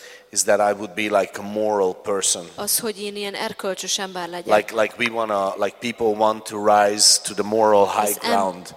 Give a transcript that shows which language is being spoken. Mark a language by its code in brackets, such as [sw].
[en] Is that I would be like a moral person. [hu] Az hogy én ilyen erkölcsös ember legyek. [en] Like we wanna like people want to rise to the moral high ground.